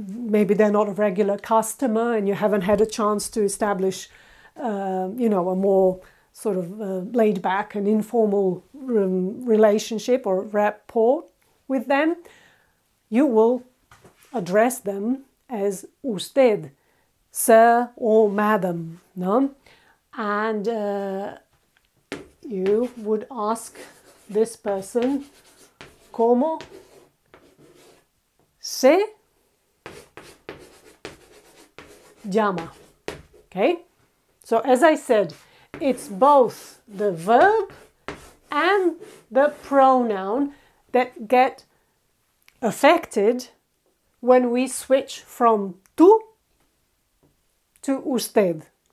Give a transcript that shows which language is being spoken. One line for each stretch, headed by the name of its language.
English: maybe they're not a regular customer and you haven't had a chance to establish, a more sort of laid-back and informal relationship or rapport with them, you will address them as usted, sir or madam, no? And you would ask this person,
Spanish: ¿cómo se llama?
English: Okay? So as I said, it's both the verb and the pronoun that get affected when we switch from tú to usted.